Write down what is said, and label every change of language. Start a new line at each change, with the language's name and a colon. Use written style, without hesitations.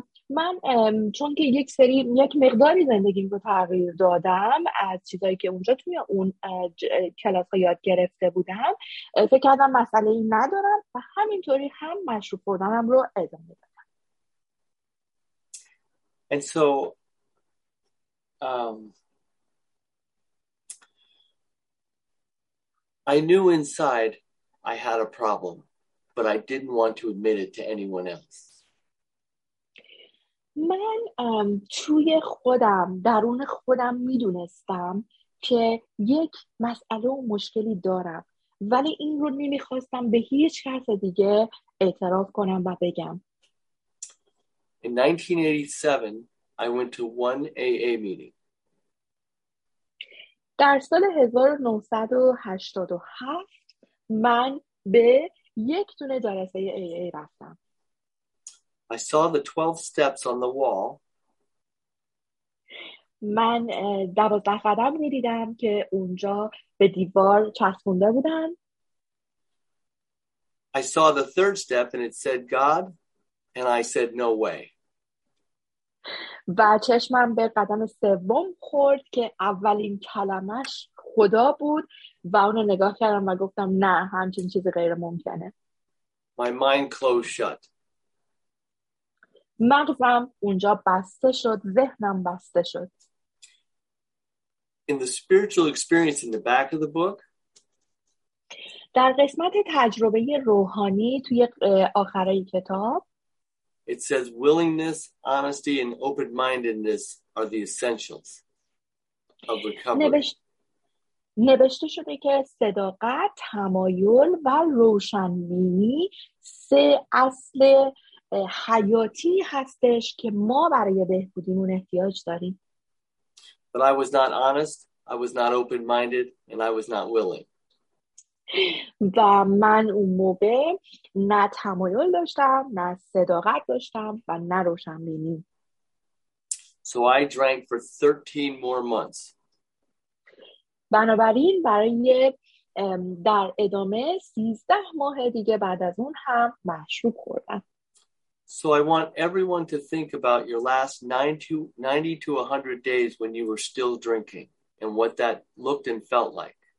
Persian: من چون که یک مقداری زندگیم رو تغییر دادم از چیزایی که اونجا توی اون کلاس ها یاد گرفته بودم، فکر کردم مسئله ای ندارم و همینطوری هم مشروب خوردنم رو ادامه دادم.
English: And so I knew inside I had a problem, but I didn't want to admit it to anyone else.
Persian: من توی خودم، درون خودم میدونستم که یک مسئله و مشکلی دارم، ولی این رو نمیخواستم به هیچ کس دیگه اعتراف کنم و بگم.
English: In 1987 I went to one AA meeting.
Persian: در سال 1987 من به یک دونه جلسه AA رفتم.
English: I saw the 12 steps on the wall.
Persian: من 12 قدم می‌دیدم که اونجا به دیوار چسبونده بودن.
English: I saw the third step and it said God, and I said no way.
Persian: و چشمم به قدم سوم خورد که اولین کلمش خدا بود و اون رو نگاه کردم و گفتم نه، همچین چیز غیر ممکنه.
English: My mind closed shut.
Persian: مغزم اونجا بسته شد، ذهنم بسته شد.
English: In the spiritual experience in the back of the book,
Persian: در قسمت تجربه روحانی توی آخرای کتاب
English: it says willingness, honesty, and open-mindedness are the essentials of recovery.
Persian: نوشته شده که صداقت، تمایل و روشنبینی سه اصل حیاتی هستش که ما برای بهبودیمون احتیاج داریم.
English: But I was not honest, I was not open-minded, and I was not willing.
Persian: و من اون موقع نه تمایل داشتم، نه صداقت داشتم و نه روشنبینی.
English: So I drank for 13 more months.
Persian: بنابراین برای در ادامه 13 ماه دیگه بعد از اون هم مشروب خوردم.
English: So I want everyone to think about your last 90 to 100 days when you were still drinking and what that looked and felt like.